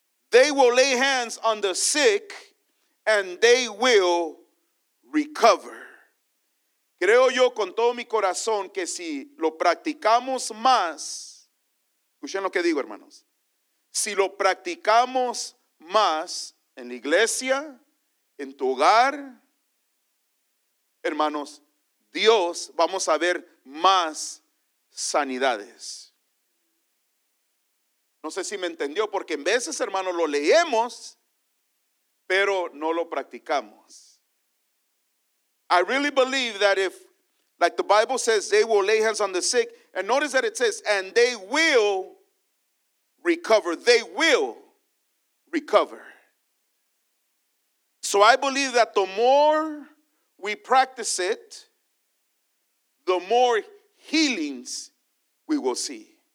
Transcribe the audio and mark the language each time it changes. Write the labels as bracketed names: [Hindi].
[English] They will lay hands on the sick and they will recover. [Spanish] Creo yo con todo mi corazón que si lo practicamos más, escuchen lo que digo, hermanos. Si lo practicamos más, en la iglesia, en tu hogar, hermanos, Dios, vamos a ver más sanidades. No sé si me entendió, porque en veces, hermanos, lo leemos, pero no lo practicamos. [English] I really believe that if, like the Bible says, they will lay hands on the sick, and notice that it says, and they will recover. They will recover. So I believe that the more we practice it, the more healings we will see.